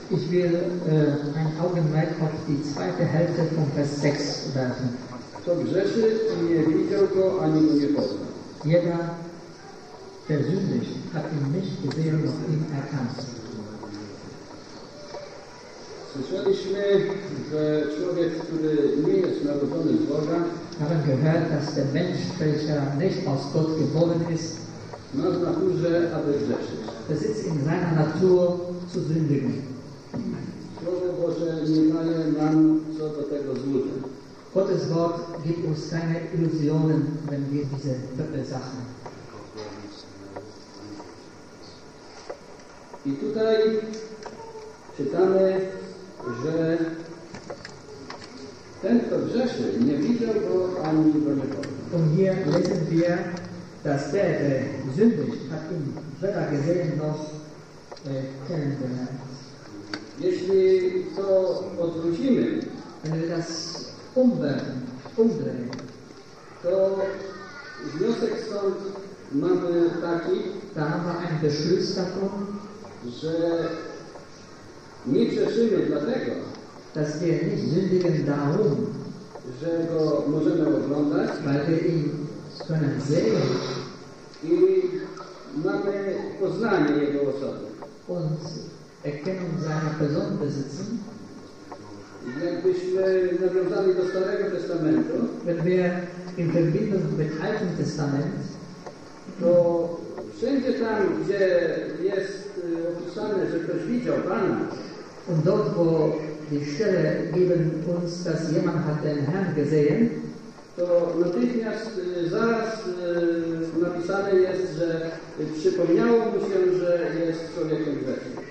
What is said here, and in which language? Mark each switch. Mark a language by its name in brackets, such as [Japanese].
[German] wir ein Augenmerk auf die zweite Hälfte von Vers 6 werfen. [Polish] Kto grzeszy, nie widział go, ani mu nie poznał. [German] Jeder, der sündigt, hat ihn nicht gesehen, noch ihn erkannt. [Polish] Słyszeliśmy, że człowiek, który nie jest narodzony z Boga, [German] haben gehört, dass der Mensch, welcher nicht aus Gott geboren ist, [Polish] ma w naturze, aby grzeszyć. [German] Besitzt in seiner Natur zu sündigen. [Polish] Słowo Boże nie daje nam co do tego złudzeń. [German] Gottes Wort gibt uns keine Illusionen, wenn wir diese Sachen. [Polish] I tutaj czytamy, że ten, kto grzeszy, nie widział go ani nie poznał. [German] Und hier lesen wir, dass der sündigt, hat ihn weder gesehen noch kennengelernt. [Polish] Jeśli to odwrócimy, [German] wenn wir das umdrehen, [Polish] to wniosek stąd mamy taki, [German] da haben wir einen Beschluss davon, [Polish] że nie grzeszymy dlatego, [German] dass wir nicht sündigen darum, [Polish] że go możemy oglądać, [German] weil wir ihn können sehen, [Polish] i mamy poznanie jego osoby. [German] Und erkennung seiner Person besitzen. [Polish] Jakbyśmy nawiązali do Starego Testamentu, [German] wenn wir in Verbindung mit Alten Testament, [Polish] to wszędzie tam, gdzie jest opisane, że ktoś widział Pana, [German] und dort, wo die Stelle geben uns, dass jemand hat den Herrn gesehen, [Polish] to natychmiast, zaraz napisane jest, że przypomniało mu się, że jest człowiekiem grzesznym.